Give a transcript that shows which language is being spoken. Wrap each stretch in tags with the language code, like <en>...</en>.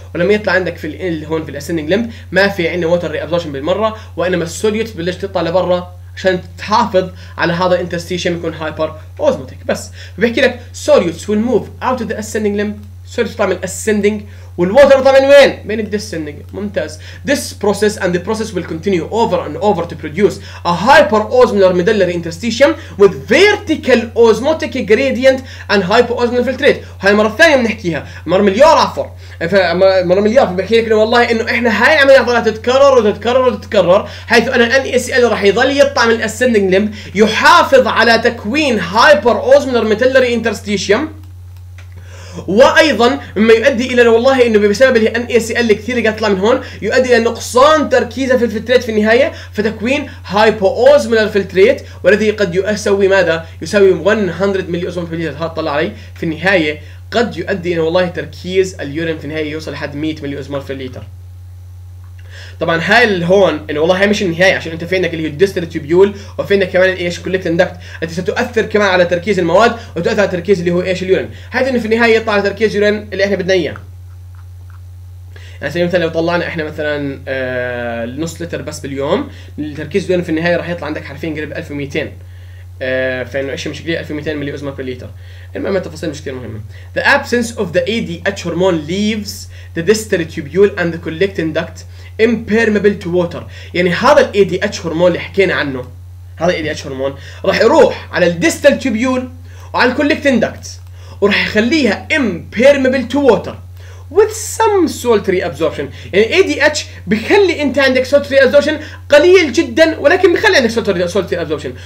<ar>ولما يطلع عندك في هون في الاسندنج ليمب ما في عندنا ووتر ري ابزوربشن بالمره وانما السوليوت بلشت تطلع لبرا عشان تحافظ على هذا الانترستيشن يكون هايبر اوزموتيك. بس بيحكي لك سوليوتس ويل موف اوت اوف ذا اسندنج ليمب سوليوتس تطلع من الاسندنج والووتر طبعا وين؟ من الديسندنج. ممتاز.</ar> <en>This process and the process will continue over and over to produce a hyperosmolar medullary interstitium with vertical osmotic gradient and hypoosmolar filtrate.</en> <ar>هاي المرة الثانية بنحكيها، مرة مليار عفوا، مرة مليار بحكي لك انه والله انه احنا هاي العملية راح تتكرر وتتكرر وتتكرر، حيث ان الـ NaCl راح يضل يطلع من الاسندنج ليمب يحافظ على تكوين hyperosmolar medullary interstitium. وايضا مما يؤدي الى والله انه بسبب الان اي سي ال كثير قاعد تطلع من هون يؤدي الى نقصان تركيزه في الفلتريت في النهايه فتكوين هايبو اوزمولر فلتريت والذي قد يسوي ماذا؟ يسوي 100 ملي اوزمولر فلتريت. هذا طلع علي في النهايه قد يؤدي الى والله تركيز اليورين في النهايه يوصل لحد 100 ملي اوزمولر في الليتر. طبعا هاي هون انه والله هاي مش النهايه، عشان انت في عندك اللي هي الديستل تيوبيول، وفي عندك كمان ايش كوليكتنج داكت، انت ستؤثر كمان على تركيز المواد وتؤثر على تركيز اللي هو ايش اليورين، حيث انه في النهايه يطلع تركيز اليورين اللي احنا بدنا اياه. يعني مثلا لو طلعنا احنا مثلا نص لتر بس باليوم، التركيز اليورين في النهايه راح يطلع عندك حرفين قريب 1200، فانه ايش مش كبير 1200 ملي اوزمر بالليتر. المهم التفاصيل مش كثير مهمه.</ar> <en>The absence of the ADH hormone leaves the distal tubule and the collecting duct impermeable to water.</en> <ar>يعني هذا الـ ADH hormone اللي حكينا عنه، هذا الـ ADH hormone راح يروح على الـ distal tubule وعلى الـ collecting duct وراح يخليها</ar> <en>impermeable to water with some salty absorption.</en> <ar>يعني ADH بخلي انت عندك salty absorption قليل جدا، ولكن بخلي عندك salty absorption.</ar>